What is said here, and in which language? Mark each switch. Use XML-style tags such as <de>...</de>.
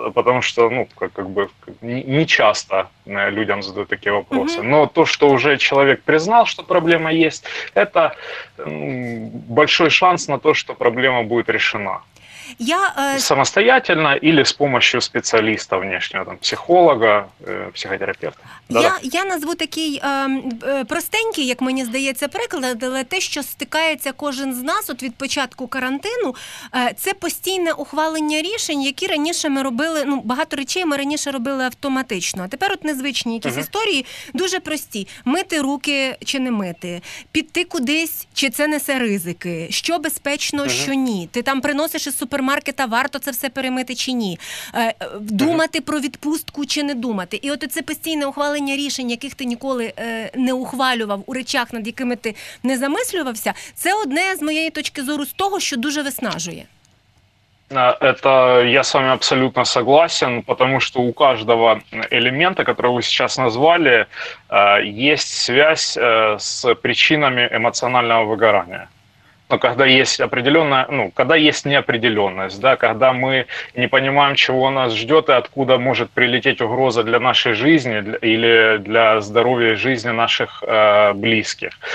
<ru>Потому что, не часто людям задают такие вопросы. Но то, что уже человек признал, что проблема есть, это большой шанс на то, что проблема будет решена. Самостоятельно или с помощью специалиста внешнего, психолога, психотерапевта.</ru> <uk>Я назву такий простенький, як мені здається, приклад, але те, що стикається кожен з нас от від початку карантину, це постійне ухвалення рішень, які раніше ми робили, багато речей ми раніше робили автоматично, а тепер от незвичні якісь історії, дуже прості. Мити руки чи не мити, піти кудись, чи це несе ризики, що безпечно, що ні, ти приносиш із супермаркета, варто це все перемити чи ні, думати про відпустку чи не думати. І от це постійне ухвалення рішень, яких ти ніколи не ухвалював у речах, над якими ти не замислювався, це одне з моєї точки зору з того, що дуже виснажує.</uk> <ru>Это я с вами абсолютно согласен, потому что у каждого элемента, который вы сейчас назвали, есть связь с причинами эмоционального выгорания. Но когда есть определенная, когда есть неопределенность, да, когда мы не понимаем, чего нас ждет и откуда может прилететь угроза для нашей жизни или для здоровья и жизни наших близких.</ru>